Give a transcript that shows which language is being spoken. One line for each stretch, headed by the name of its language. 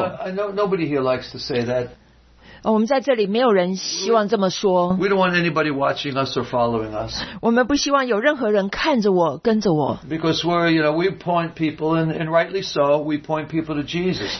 English: I know nobody here likes to say that.
Chinese: 我们在这里没有人希望这么说。
English: We don't want anybody watching us or following us.
Chinese: 我们不希望有任何人看着我跟着我。
English: Because we're, you know, we point people, and rightly so, we point people to Jesus.